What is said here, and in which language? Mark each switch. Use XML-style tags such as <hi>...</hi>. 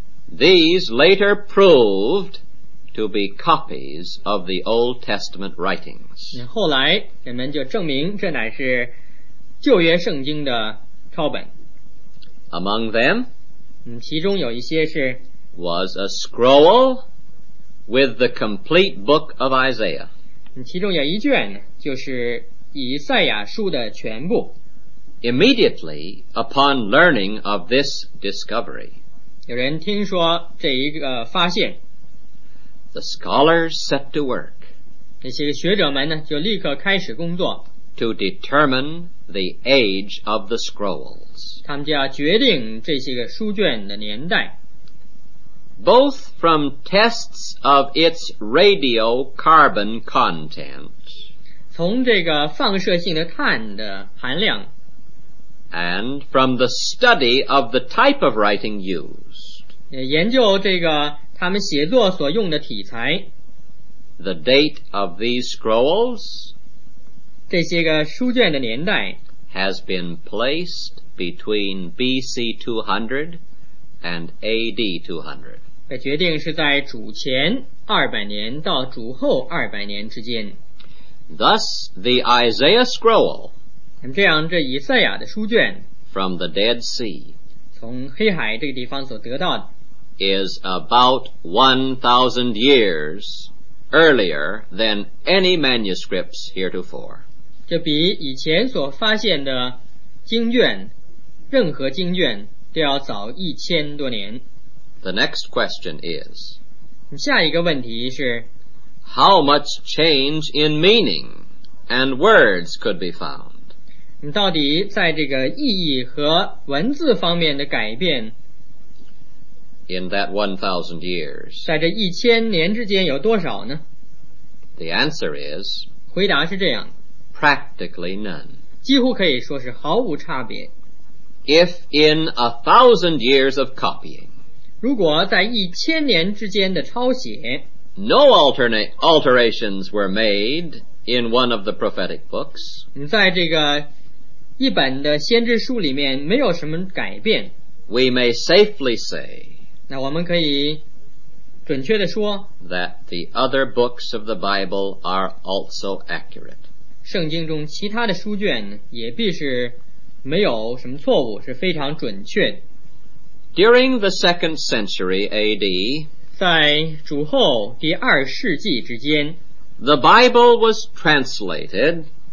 <en>These later proved to be copies of the Old Testament writings.</en> <zh>后来人们就证明这乃是旧约圣经的抄本</zh> <en>Among them,</en> <zh>其中有一些是</zh> <en>was a scroll. With the complete book of Isaiah.</en> <zh>其中有一卷就是以赛亚书的全部。</zh> <en>Immediately upon learning of this discovery,</en> <zh>有人听说这一个发现。</zh> <en>The scholars set to work.</en> <zh>那些学者们呢就立刻开始工作。</zh> <en>To determine the age of the scrolls.</en> <zh>他们就要决定这些个书卷的年代。</zh> <en>Both from tests of its radiocarbon content,</en> <zh>从这个放射性的碳的含量,</zh> <en>and from the study of the type of writing used,</en> <zh>研究这个他们写作所用的体裁,</zh> <en>the date of these scrolls,</en> <zh>这些个书卷的年代,</zh> <en>has been placed between BC 200 and AD 200.</en> <zh>这决定是在主前200年到主后200年之间</zh> <en>Thus the Isaiah scroll</en> <zh>这样这以赛亚的书卷</zh> <en>From the Dead Sea</en> <zh>从黑海这个地方所得到的</zh> <en>Is about 1,000 years earlier than any manuscripts heretofore</en> <zh>就比以前所发现的经卷任何经卷都要早1000多年</zh> <en>The next question is,</en> <zh>下一个问题是</zh> <en>How much change in meaning and words could be found?</en> <zh>到底在这个意义和文字方面的改变</zh> <en>In that 1,000 years,</en> <zh>在这一千年之间有多少呢</zh> <en>The answer is,</en> <zh>回答是这样</zh> <en>Practically none.</en> <zh>几乎可以说是毫无差别</zh> <en>If in 1,000 years of copying,</en> <zh>如果在一千年之间的抄写</zh> <en>No alterations were made in one of the prophetic books</en> <zh>在这个一本的先知书里面没有什么改变</zh> <en>We may safely say</en> <zh>那我们可以准确地说</zh> <en>That the other books of the Bible are also accurate</en> <zh>圣经中其他的书卷也必是没有什么错误是非常准确的</zh> <en>During the 2nd century AD,</en> <zh>在主后第二世纪之间</zh> <en>the Bible was translated</en>